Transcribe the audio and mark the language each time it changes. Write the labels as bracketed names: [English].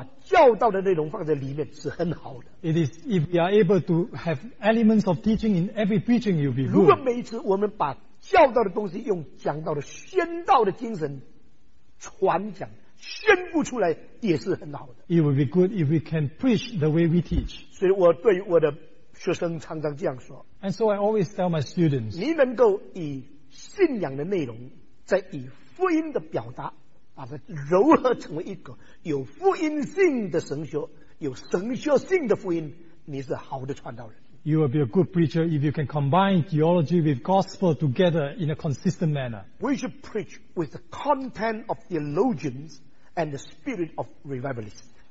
[Chinese] 当然如果我们能够把每一个讲道都把教导的内容放在里面, 是很好的。 [English] It is, if we are able to have elements of teaching in every preaching, it will be good. [Chinese] 如果每一次我们把教导的东西用讲道的宣道的精神传讲, 宣布出来, [English] it would be good if we can preach the way we teach. [Chinese] 所以我对我的学生常常这样说, [English] and so I always tell my students, [Chinese] 你能够以信仰的内容, 再以福音的表达, 把它柔合成为一个, 有福音性的神学, 有神学性的福音, 你是好的传道人。 [English] You will be a good preacher if you can combine theology with gospel together in a consistent manner. We should preach with the content of theologians and the spirit of revivalists.